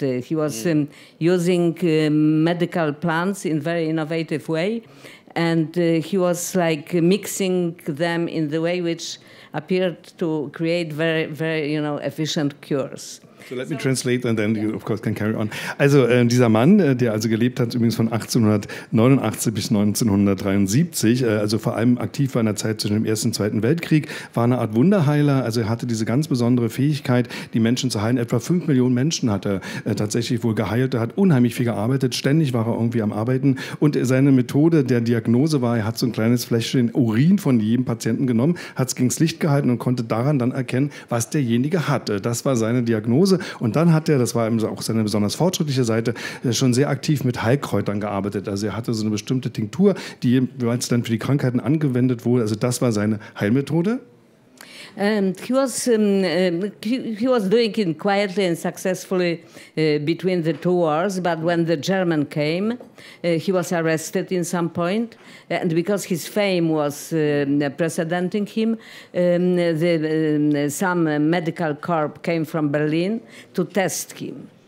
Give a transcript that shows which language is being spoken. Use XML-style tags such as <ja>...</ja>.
<en>He was using medical plants in very innovative way, and he was like mixing them in the way which appeared to create very, very, you know, efficient cures. So let me translate and then you of course can carry on.</en> <de>Also dieser Mann, der also gelebt hat übrigens von 1889 bis 1973, also vor allem aktiv war in der Zeit zwischen dem Ersten und Zweiten Weltkrieg, war eine Art Wunderheiler. Also er hatte diese ganz besondere Fähigkeit, die Menschen zu heilen. Etwa 5 Millionen Menschen hat er tatsächlich wohl geheilt. Er hat unheimlich viel gearbeitet. Ständig war er irgendwie am Arbeiten. Und seine Methode der Diagnose war, er hat so ein kleines Fläschchen Urin von jedem Patienten genommen, hat es gegen das Licht gehalten und konnte daran dann erkennen, was derjenige hatte. Das war seine Diagnose. Und dann hat er, das war eben auch seine besonders fortschrittliche Seite, schon sehr aktiv mit Heilkräutern gearbeitet. Also er hatte so eine bestimmte Tinktur, die jeweils dann für die Krankheiten angewendet wurde. Also das war seine Heilmethode.</de> <en>And he was doing it quietly and successfully between the two wars. But when the German came, he was arrested in some point. And because his fame was precedenting him, some medical corps came from Berlin to test him.</en>